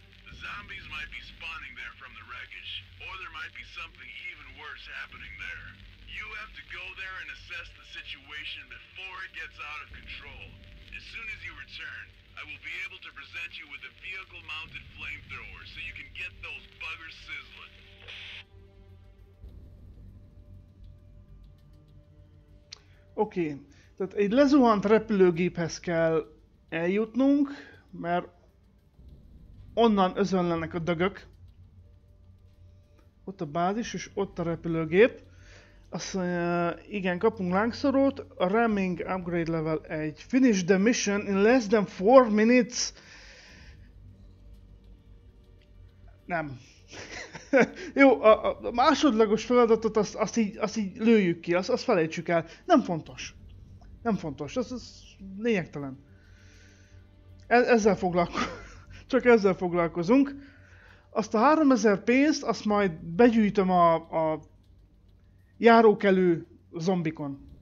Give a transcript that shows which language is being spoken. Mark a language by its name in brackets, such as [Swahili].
[English] The zombies might be spawning there from the wreckage, or there might be something even worse happening there. You have to go there and assess the situation before it gets out of control. As soon as you return, I will be able to present you with a vehicle-mounted flamethrower, so you can get those buggers sizzling. [Hungarian] Oké, tehát egy lezuhant repülőgéphez kell eljutnunk, mert onnan özönlenek a dögök. Ott a bázis, és ott a repülőgép. Azt mondja, igen, kapunk lángszorót, a ramming upgrade level 1. [English] Finish the mission in less than 4 minutes. [Hungarian] Nem. Jó, a másodlagos feladatot azt így lőjük ki, azt felejtsük el. Nem fontos. Nem fontos, az lényegtelen. Ezzel foglalkozunk. Csak ezzel foglalkozunk. Azt a 3000 pénzt, azt majd begyűjtöm a járókelő zombikon.